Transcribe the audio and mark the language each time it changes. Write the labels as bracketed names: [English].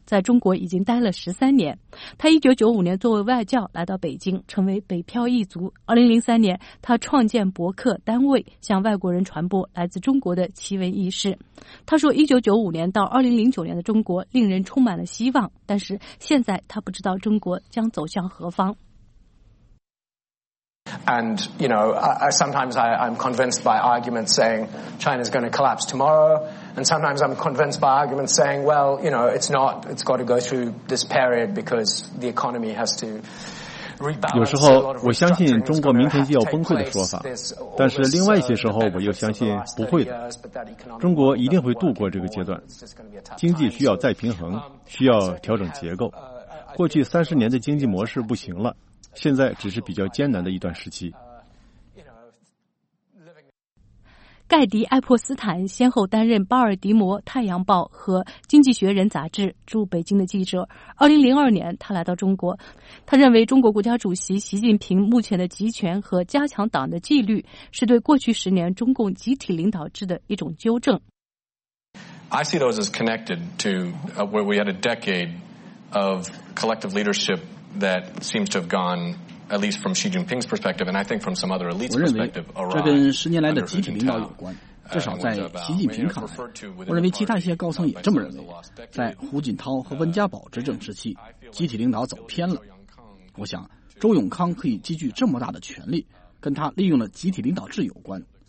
[Chinese] 在中国已经待了13年。他1995年作为外教来到北京，成为北漂一族。 2003年，他创建博客单位，向外国人传播来自中国的奇闻异事。他说1995年到2009年的中国令人充满了希望，但是现在他不知道中国将走向何方。 [English] And, you know, I'm convinced by arguments saying China's going to collapse tomorrow. And sometimes I'm convinced by arguments saying, well, you know, it's not, it's got to go through this period because the economy has to rebalance. [Chinese] 有时候我相信中国明天就要崩溃的说法，但是另外一些时候我又相信不会的。中国一定会度过这个阶段，经济需要再平衡，需要调整结构。过去30年的经济模式不行了。现在只是比较艰难的一段时期。盖迪·爱泼斯坦先后担任巴尔的摩《太阳报》和《经济学人》杂志驻北京的记者。 2002年，他来到中国。他认为中国国家主席习近平目前的集权和加强党的纪律，是对过去10年中共集体领导制的一种纠正。 [English] I see those as connected to where we had a decade of collective leadership. That seems to have gone, at least from Xi Jinping's perspective, and I think from some other elite's perspective, awry. [Chinese] 这跟十年来的集体领导有关，至少在习近平看来。我认为其他一些高层也这么认为。在胡锦涛和温家宝执政时期，集体领导走偏了。我想，周永康可以积聚这么大的权力，跟他利用了集体领导制有关。